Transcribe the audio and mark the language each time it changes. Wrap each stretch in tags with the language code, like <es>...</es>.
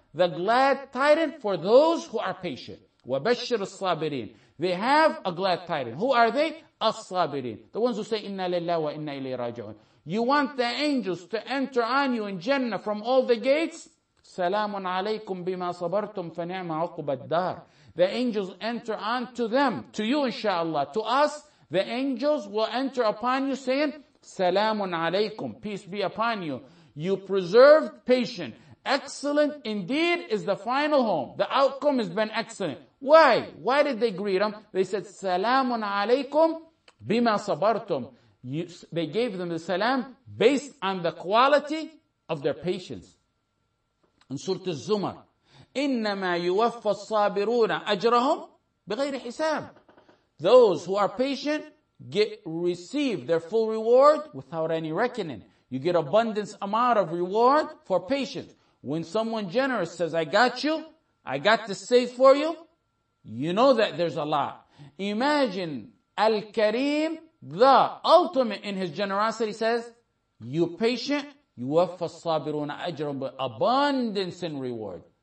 <en>But have the glad tidings for those who are patient.</en> <ar>وَبَشِّرُ الصَّابِرِينَ.</ar> <en>They have a glad tidings. Who are they? الصَّابِرِينَ. The ones who say,</en> <ar>إِنَّا لِلَّهِ وَإِنَّا إِلَيْهِ رَاجِعُونَ.</ar> <en>You want the angels to enter on you in Jannah from all the gates?</en> <ar>سلام عليكم بما صبرتم فنعم عقب الدار.</ar> <en>The angels enter on to them, to you inshallah, to us. The angels will enter upon you saying,</en> <ar>سلام عليكم,</ar> <en>peace be upon you. You preserved patience. Excellent indeed is the final home. The outcome has been excellent. Why? Why did they greet them? They said,</en> <ar>سلام عليكم بما صبرتم.</ar> <en>They gave them the salam based on the quality of their patience. In Surah Az-Zumar,</en> <ar>إِنَّمَا يُوَفَّ الصَّابِرُونَ أَجْرَهُمْ بِغَيْرِ حِسَابٍ.</ar> <en>Those who are patient receive their full reward without any reckoning. You get abundance amount of reward for patience. When someone generous says, I got you, I got this safe for you, you know that there's a lot. Imagine Al-Kareem, the ultimate in his generosity, says, you patient,</en> <ar>يُوَفَّ الصَّابِرُونَ أَجْرًا</ar> <en>abundance in reward.</en>